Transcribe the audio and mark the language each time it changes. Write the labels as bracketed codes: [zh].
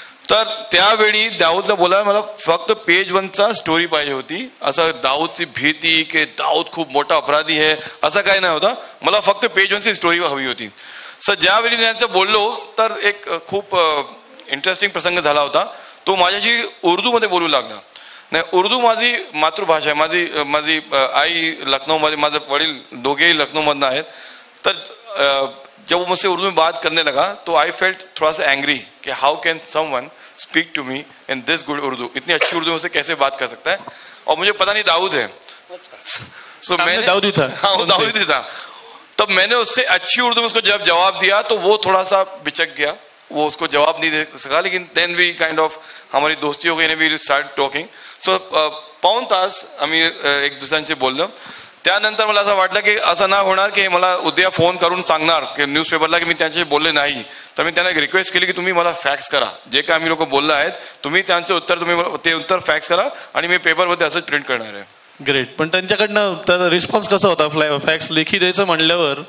[mr] तर त्यावेळी दाऊदला बोलायला मला फक्त पेज 1 स्टोरी पाहिजे होती, असं दाऊदची भीती की दाऊद खूप मोठा अपराधी आहे असं काही नाही होतं, मला फक्त पेज 1 स्टोरी हवी होती. सर ज्यावेळी त्यांचं बोललो तर एक खूप इंटरेस्टिंग प्रसंग झाला होता, तो माझ्याशी उर्दूमध्ये बोलू लागला. नाही उर्दू माझी मातृभाषा आहे, माझी आई लखनौमध्ये, माझे वडील दोघेही लखनौमधनं आहेत. [hi] तर जब मुझसे उर्दू में बात करने लगा तो [en] I felt [hi] थोड़ा सा एंग्री कि [en] how can someone speak to me in this good Urdu, [hi] इतनी अच्छी उर्दू में उसे कैसे बात कर सकता है, और मुझे पता नहीं दाऊद है सो मैंने दाऊदी था, हाँ दाऊदी था, तब मैंने उससे अच्छी उर्दू में उसको जब जवाब दिया तो वो थोड़ा सा बिचक गया, वो उसको जवाब नहीं दे सका, लेकिन [en] then we kind of [hi] हमारी दोस्ती हो गई, [en] we start talking, [mr] सो पाऊन तास आम्ही एक दुसऱ्यांशी बोललो. त्यानंतर मला असं वाटलं की असं ना होणार की मला उद्या फोन करून सांगणार की न्यूज पेपरला की मी त्यांच्याशी बोलले नाही, तर मी त्यांना एक रिक्वेस्ट केली की तुम्ही मला फॅक्स करा जे काय आम्ही लोक बोललं आहेत, तुम्ही त्यांचं उत्तर, तुम्ही ते उत्तर फॅक्स करा आणि मी पेपरमध्ये असंच प्रिंट करणार आहे. ग्रेट. पण त्यांच्याकडनं रिस्पॉन्स कसा होता, फॅक्स लेखी द्यायचं म्हणल्यावर?